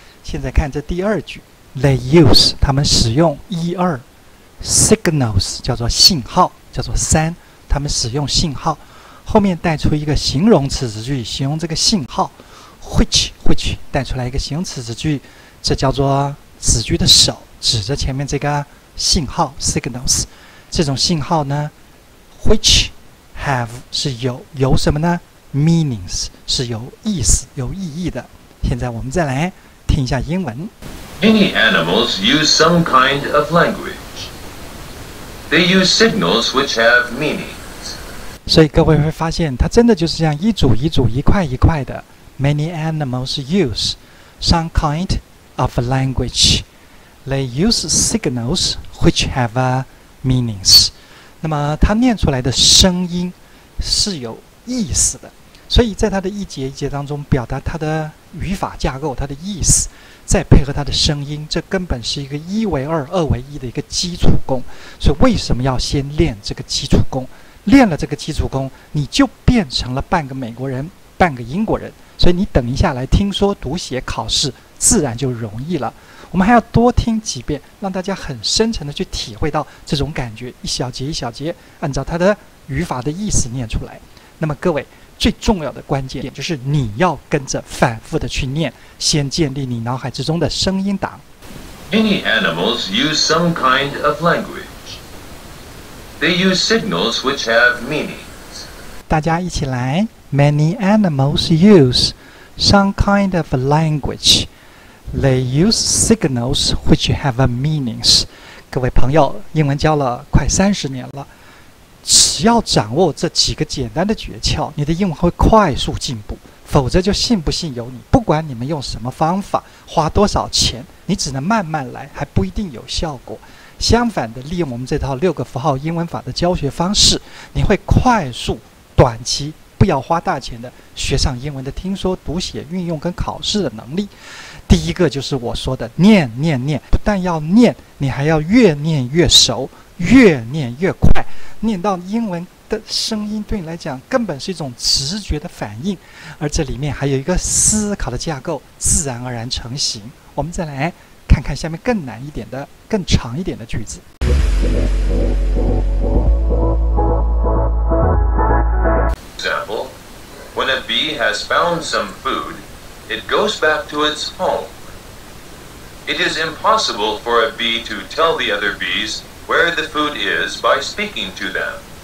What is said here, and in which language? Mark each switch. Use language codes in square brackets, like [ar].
[zh] 现在看这第二句 [en] they use [zh] 他们使用一二 signals 叫做信号，叫做三他们使用信号，后面带出一个形容词词句形容这个信号， which 带出来一个形容词词句，这叫做子句的首，指着前面这个信号 signals， 这种信号呢 [en] which have [zh] 是有什么呢 meanings 是有意思有意义的。现在我们再来听一下英文。 [en] Many animals use some kind of language. They use signals which have meaning. [zh] 所以各位会发现它真的就是这样一组一组一块一块的， [en] Many animals use some kind of language. They use signals which have meanings. [zh] 那么它念出来的声音是有意思的，所以在它的一节一节当中表达它的语法架构，它的意思再配合它的声音，这根本是一个一为二二为一的一个基础功。所以为什么要先练这个基础功，练了这个基础功，你就变成了半个美国人半个英国人，所以你等一下来听说读写考试自然就容易了。我们还要多听几遍，让大家很深沉的去体会到这种感觉，一小节一小节按照它的语法的意思念出来。那么各位最重要的关键就是你要跟着反复的去念，先建立你脑海之中的声音档。 [en] Many animals use some kind of language. They use signals which have meanings. [zh] 大家一起来。 [en] Many animals use some kind of language. They use signals which have meanings. [zh] 各位朋友，英文教了快30年了，只要掌握这几个简单的诀窍，你的英文会快速进步。否则就信不信由你，不管你们用什么方法，花多少钱，你只能慢慢来，还不一定有效果。相反的，利用我们这套六个符号英文法的教学方式，你会快速短期不要花大钱的学上英文的听说读写运用跟考试的能力。第一个就是我说的念念念，不但要念，你还要越念越熟，越念越快，念到英文的声音对你来讲根本是一种直觉的反应，而这里面还有一个思考的架构自然而然成型。我们再来看看下面更难一点的、更长一点的句子。 [en] Example, when a bee has found some food, it goes back to its home. It is impossible for a bee to tell the other bees where the food is by speaking to them.